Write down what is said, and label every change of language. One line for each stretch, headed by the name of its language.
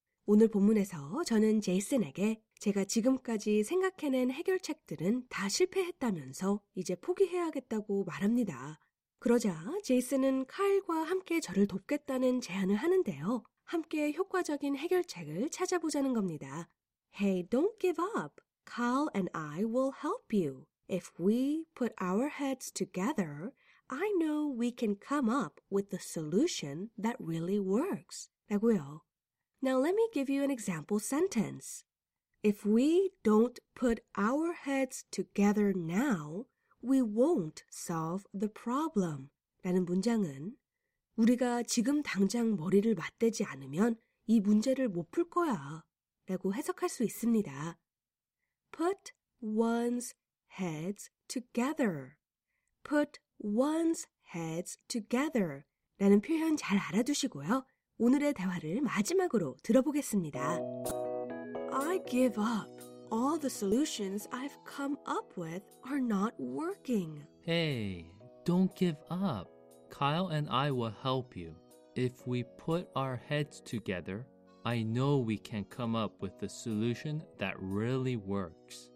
Korean: 오늘 본문에서 저는 제이슨에게 제가 지금까지 생각해낸 해결책들은 다 실패했다면서 이제 포기해야겠다고 말합니다. 그러자 제이슨은 카일과 함께 저를 돕겠다는 제안을 하는데요. 함께 효과적인 해결책을 찾아보자는 겁니다.
English: Hey, don't give up. Kyle and I will help you. If we put our heads together, I know we can come up with the solution that really works.
Korean: 라고요.
English: Now let me give you an example sentence. If we don't put our heads together now, we won't solve the problem.
Korean: 라는 문장은 우리가 지금 당장 머리를 맞대지 않으면 이 문제를 못 풀 거야 라고 해석할 수 있습니다.
English: Put one's heads together. Put one's heads together.
Korean: 라는 표현 잘 알아두시고요. 오늘의 대화를 마지막으로 들어보겠습니다.
English: I give up. All the solutions I've come up with are not working. Hey, don't give up. Kyle and I will help you. If we put our heads together, I know we can come up with a solution that really works.